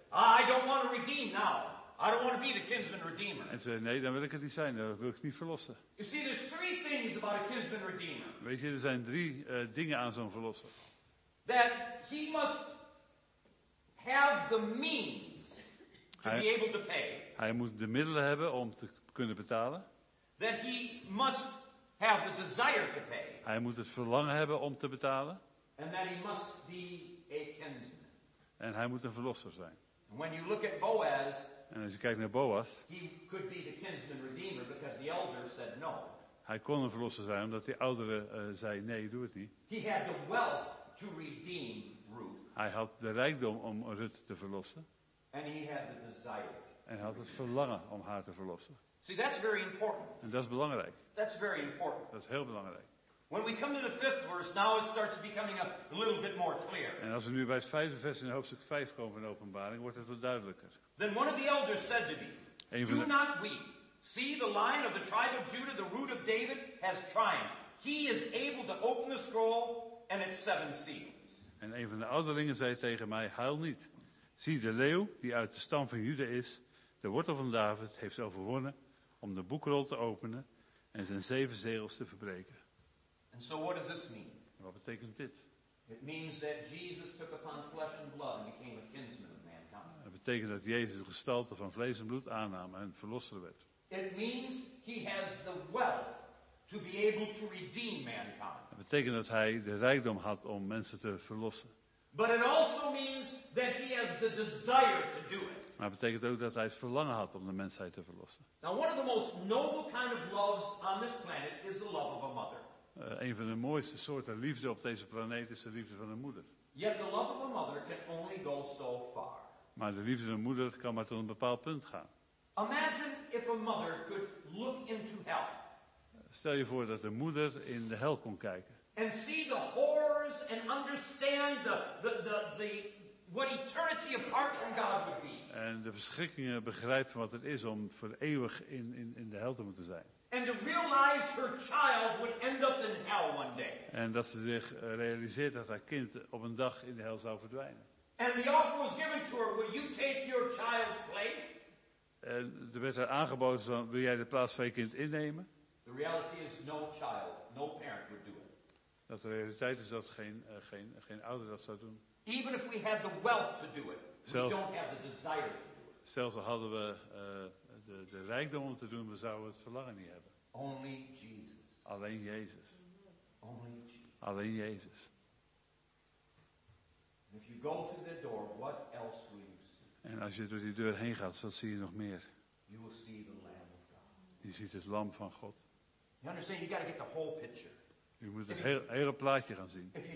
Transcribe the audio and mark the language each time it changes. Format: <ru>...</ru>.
<en>I don't want to redeem now. I don't want to be the kinsman redeemer.</en> <nl>En ze zei, nee, dan wil ik het niet zijn, dan wil ik het niet verlossen.</nl> <en>You see, there's three things about a kinsman redeemer.</en> <nl>Weet je, er zijn drie dingen aan zo'n verlosser.</nl> <en>That he must have the means to be able to pay.</en> <nl>Hij moet de middelen hebben om te kunnen betalen.</nl> <en>That he must have the desire to pay.</en> <nl>Hij moet het verlangen hebben om te betalen.</nl> <en>And that he must be a kinsman.</en> <nl>En hij moet een verlosser zijn.</nl> <en>And when you look at Boaz,</en> <nl>en als je kijkt naar Boaz,</nl> <en>he could be the kinsman redeemer because the elder said no.</en> <nl>Hij kon een verlosser zijn omdat die oudere zei nee, doe het niet.</nl> <en>He had the wealth to redeem Ruth.</en> <nl>Hij had de rijkdom om Ruth te verlossen.</nl> <en>And he had the desire.</en> <nl>En hij had het verlangen om haar te verlossen.</nl> <en>See, that's very important.</en> <nl>En dat is belangrijk.</nl> <en>That's very important.</en> <nl>Dat is heel belangrijk.</nl> <en>When we come to the fifth verse, now it starts becoming a little bit more clear.</en> <nl>En als we nu bij het vijfde vers in hoofdstuk 5 komen van de Openbaring, wordt het wat duidelijker.</nl> <en>Then one of the elders said to me, "Do not weep. See, the Lion of the tribe of Judah, the Root of David, has triumphed. He is able to open the scroll and its seven seals."</en> <nl>En een van de ouderlingen zei tegen mij, "Huil niet. Zie, de leeuw die uit de stam van Juda is, de wortel van David, heeft overwonnen om de boekrol te openen en zijn zeven zegels te verbreken."</nl> <en>And so what does this mean?</en> <nl>Wat betekent dit?</nl> <en>It means that Jesus took upon flesh and blood and became a kinsman of mankind.</en> <nl>Het betekent dat Jezus de gestalte van vlees en bloed aannam en verlosser werd.</nl> <en>It means he has the wealth to be able to redeem mankind.</en> <nl>Het betekent dat hij de rijkdom had om mensen te verlossen.</nl> <en>But it also means that he has the desire to do it.</en> <nl>Maar het betekent ook dat hij het verlangen had om de mensheid te verlossen.</nl> <en>Now one of the most noble kind of loves on this planet is the love of a mother.</en> <nl>Een van de mooiste soorten liefde op deze planeet is de liefde van een moeder.</nl> <en>Yet the love of a mother can only go so far.</en> <nl>Maar de liefde van een moeder kan maar tot een bepaald punt gaan.</nl> <en>Imagine if a mother could look into hell.</en> <nl>Stel je voor dat de moeder in de hel kon kijken.</nl> <en>And see the horrors and understand the what eternity apart from God would be.</en> <nl>En de verschrikkingen begrijpen wat het is om voor eeuwig in de hel te moeten zijn.</nl> <en>And to realize her child would end up in hell one day.</en> <nl>En dat ze zich realiseert dat haar kind op een dag in de hel zou verdwijnen.</nl> <en>And the offer was given to her, will you take your child's place?</en> <nl>En er werd haar aangeboden van, wil jij de plaats van je kind innemen?</nl> <en>The reality is no child, no parent would do it.</en> <nl>Dat de realiteit is dat geen ouder dat zou doen.</nl> <en>Even if we had the wealth to do it, we don't have the desire to do it.</en> <nl>Zelfs al hadden we de rijkdom om te doen, we zouden het verlangen niet hebben.</nl> <en>Only Jesus.</en> <nl>Alleen Jezus.</nl> <en>Only Jesus.</en> <nl>Alleen Jezus.</nl> <en>And if you go through the door, what else will you see?</en> <nl>En als je door die deur heen gaat, wat zie je nog meer?</nl> <en>You will see the Lamb of God.</en> <nl>Je ziet het Lam van God.</nl> <en>You understand? You got to get the whole picture.</en> <nl>Je moet het hele plaatje gaan zien.</nl>